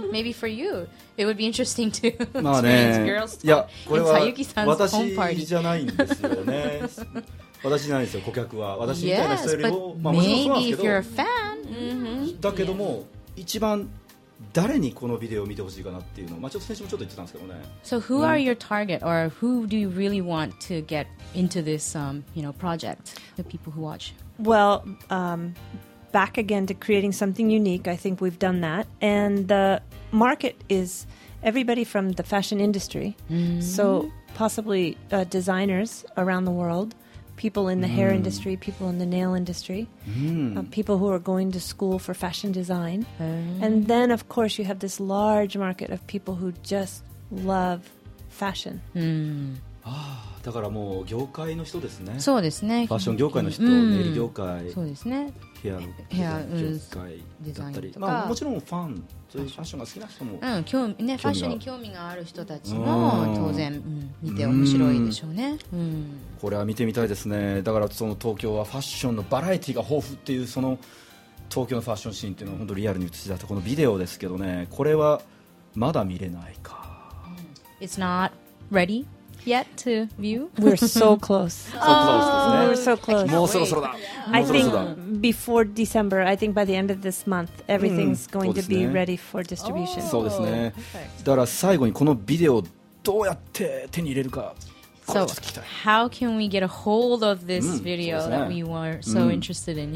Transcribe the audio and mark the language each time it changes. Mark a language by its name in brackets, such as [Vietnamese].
[English] Maybe for you, it would be interesting to experience girls in Sayuki-san's home party. [Japanese] 私じゃないんですよね。私じゃないですよ。顧客は私みたいな人よりも、まあもちろんそうなんですけど。 [English] Maybe if you're a fan. [Japanese] だけども、一番誰にこのビデオを見てほしいかなっていうの、まあちょっと先週もちょっと言ってたんですけどね。 [English] So who are your target, or who do you really want to get into this, you know, project? The people who watch. Well, back again to creating something unique. I think we've done that. And the market is everybody from the fashion industry. Mm-hmm. So possibly designers around the world, people in the mm-hmm. hair industry, people in the nail industry, mm-hmm. People who are going to school for fashion design. Mm-hmm. And then, of course, you have this large market of people who just love fashion. Mm-hmm. [Japanese] だからもう業界の人ですね。そうですね。ファッション業界の人、うん、ネイル業界、そうですね。ヘア業界だったり、うん、まあもちろんファン、そういうファッションが好きな人も、うん、興味ね、ファッションに興味がある人たちも当然、うん、見て面白いでしょうね、うん。これは見てみたいですね。だからその東京はファッションのバラエティが豊富っていう、その東京のファッションシーンっていうのは本当にリアルに映し出したこのビデオですけどね、これはまだ見れないか。 [English] It's not ready. Yet to view? We're so close. So close, we're so close. [Japanese] もうそろそろだ。 [English] I think before December, I think by the end of this month, everything's going to be ready for distribution. [Japanese] そうですね。だから最後にこのビデオどうやって手に入れるか、 [English] So how can we get a hold of this video that we were so interested in?